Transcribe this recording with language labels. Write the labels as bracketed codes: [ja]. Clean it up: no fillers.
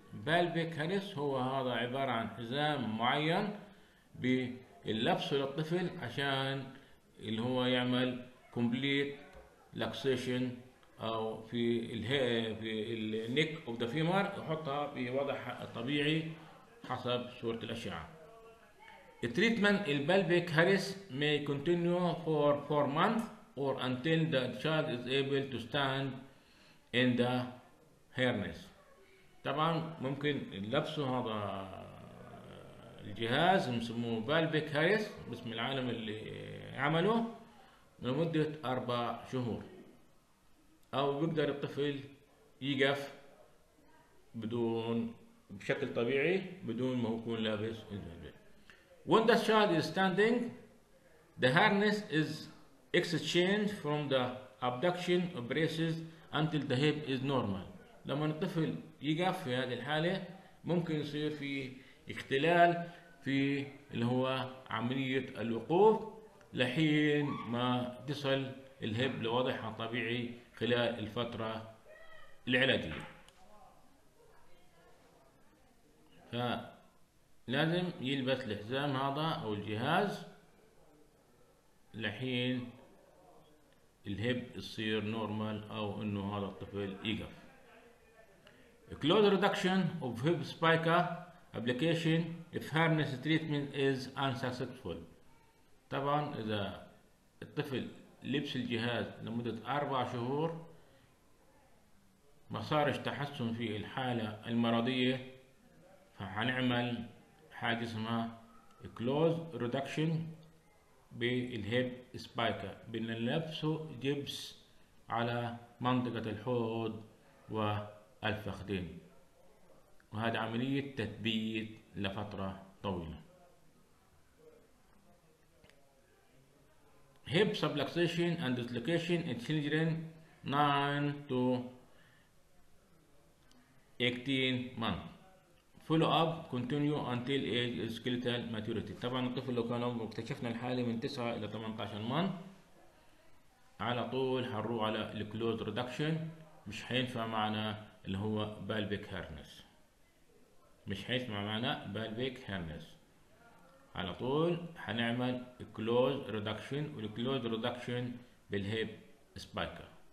[ar] بالبيك هرس هو هذا عبارة عن حزام معين باللبس للطفل عشان اللي هو يعمل كومبليت لاكسيشن او في في [en] النيك of the femur, [ar] يحطها في وضعها الطبيعي حسب صورة الأشعة. التريتمنت البالبيك هرس [en] may continue for 4 months or until the child is able to stand in the harness. [ar] طبعا ممكن لبسوا هذا الجهاز مسموه فالبيك هاريس باسم العالم اللي عمله لمدة 4 شهور، او بيقدر الطفل يقف بدون بشكل طبيعي بدون ما يكون لابس الفالبيك. [en] When the child is standing the harness is exchanged from the abduction braces until the hip is normal. [ar] لما الطفل يقف في هذه الحالة ممكن يصير في اختلال في اللي هو عملية الوقوف لحين ما تصل الهب لوضعها الطبيعي خلال الفترة العلاجية. فلازم يلبس الحزام هذا او الجهاز لحين الهب يصير نورمال او انه هذا الطفل يقف. [en] Close reduction of hip spica application if harness treatment is unsuccessful. [ar] طبعا اذا الطفل لبس الجهاز لمدة 4 شهور ما صارش تحسن في الحالة المرضية فهنعمل حاجة اسمها close reduction بالهيب سبايكا، بدنا نلبسه جبس على منطقة الحوض و الفخذين، وهذا عملية تثبيت لفترة طويلة. [en] Hip subluxation and dislocation in children 9 to 18 months. Follow up continue until age skeletal maturity. [ar] طبعا الطفل لو كان عمره اكتشفنا الحالة من 9 إلى 18 month على طول حنروح على الكلوز ريدكشن، مش حينفع معنا اللي هو بالبيك هارنس، مش حيسمع معنا بالبيك هارنس، على طول حنعمل كلوز ريدكشن، والكلوز ريدكشن بالهيب سبايكر.